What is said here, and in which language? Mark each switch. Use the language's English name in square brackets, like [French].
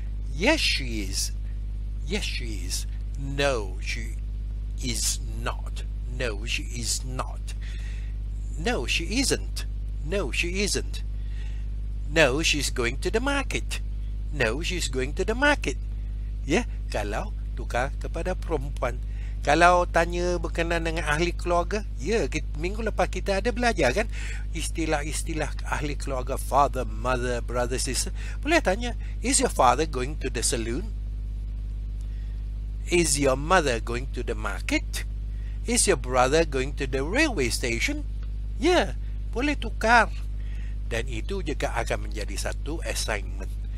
[English] Yes, she is. Yes, she is. No, she is not. No, she is not. No, she isn't. No, she isn't. No, she's going to the market. No, she's going to the market. [Malay] Yeah, kalau tukar kepada perempuan. Kalau tanya berkenaan dengan ahli keluarga, ya, minggu lepas kita ada belajar kan istilah-istilah ahli keluarga, father, mother, brother, sister. [English] Boleh tanya, is your father going to the saloon? Is your mother going to the market? Is your brother going to the railway station? [Malay] Ya, boleh tukar. Dan itu juga akan menjadi satu assignment.